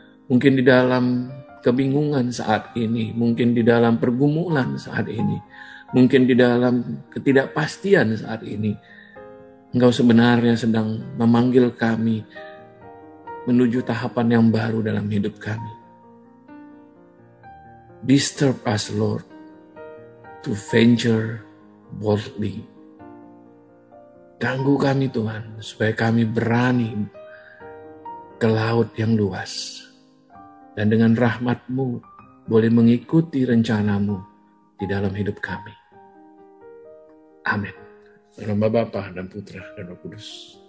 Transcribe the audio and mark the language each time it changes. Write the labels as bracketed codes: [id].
[id] Mungkin di dalam kebingungan saat ini, mungkin di dalam pergumulan saat ini, mungkin di dalam ketidakpastian saat ini, Engkau sebenarnya sedang memanggil kami menuju tahapan yang baru dalam hidup kami. [en] Disturb us, Lord, to venture boldly. [id] Ganggu kami, Tuhan, supaya kami berani ke laut yang luas. Dan dengan rahmat-Mu boleh mengikuti rencana-Mu di dalam hidup kami. Amin. Nama Bapa dan Putra dan Roh Kudus.